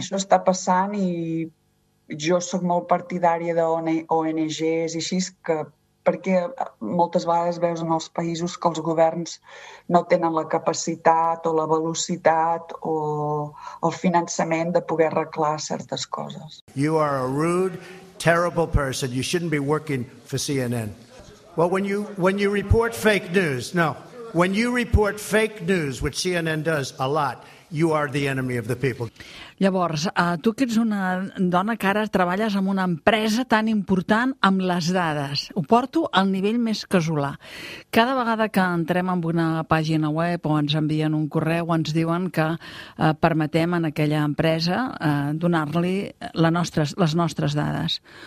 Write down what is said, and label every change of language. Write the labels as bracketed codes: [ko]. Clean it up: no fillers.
[ca] Això està passant i jo sóc molt partidària d'ONGs i així, que perquè moltes vegades veus en els països que els governs no tenen la capacitat o la velocitat o el finançament de poder arreglar certes coses. [en] You are a rude, terrible person. You shouldn't be working for CNN. Well, when you report fake news, no. When you report fake news, which CNN does a lot, you are the enemy of the people. [ca] Llavors, tu que ets una dona que ara treballes en una empresa tan important amb les dades, ho porto al nivell més casolà. Cada vegada que entrem en una pàgina web o ens envien un correu, ens diuen que permetem en aquella empresa donar-li les nostres dades.